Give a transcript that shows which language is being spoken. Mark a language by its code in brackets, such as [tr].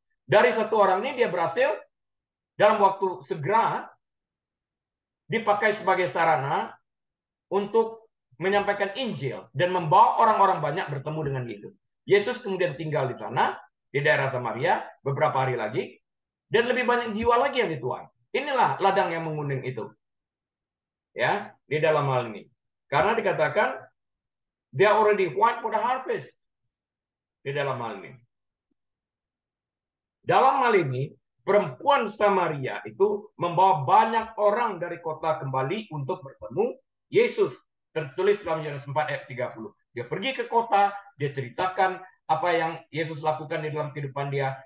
[id] Dari satu orang ini dia berhasil dalam waktu segera dipakai sebagai sarana untuk menyampaikan Injil dan membawa orang-orang banyak bertemu dengan Yesus. Yesus kemudian tinggal di sana, di daerah Samaria, beberapa hari lagi, dan lebih banyak jiwa lagi yang dituai. Inilah ladang yang menguning itu. Ya, di dalam hal ini. Karena dikatakan, [en] they are already white for the harvest. [id] Di dalam hal ini. Dalam hal ini, perempuan Samaria itu membawa banyak orang dari kota kembali untuk bertemu Yesus. Tertulis dalam Yohanes 4 ayat 30. Dia pergi ke kota, dia ceritakan apa yang Yesus lakukan di dalam kehidupan dia.